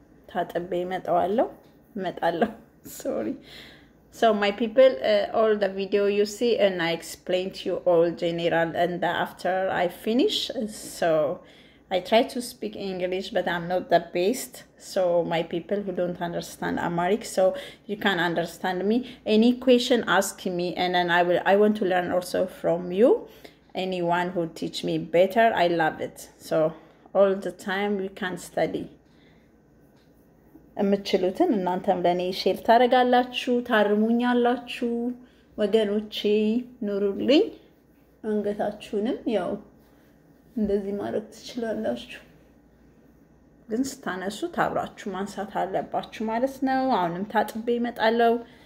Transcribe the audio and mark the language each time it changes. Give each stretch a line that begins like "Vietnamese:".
Amharic: ታጥቤ እመጣዋለሁ እመጣለሁ።
English: ሶሪ ሶ ማይ ፒፕል ኦል ደ ቪዲዮ ዩ ሲ ኤንድ አይ ኤክስፕሌን ቱ ዩ ኦል ጄኔራል ኤንድ አፍተር አይ ፊኒሽ ሶ I try to speak English, but I'm not the best. So my people who don't understand Amharic, so you can understand me. Any question, ask me, and then I want to learn also from you. Anyone who teach me better, I love it. So all the time we can study.
Amharic: የምችሉትን እናንተም ለእኔ ሼር ታደርጋላችሁ፣ ታርሙኛላችሁ። ወገኖቼ ኑሩልኝ። አንገታችሁንም ያው እንደዚህ ማድረግ ትችላላችሁ፣ ግን ስታነሱት አብራችሁ ማንሳት አለባችሁ ማለት ነው። አሁንም ታጥቤ እመጣለሁ።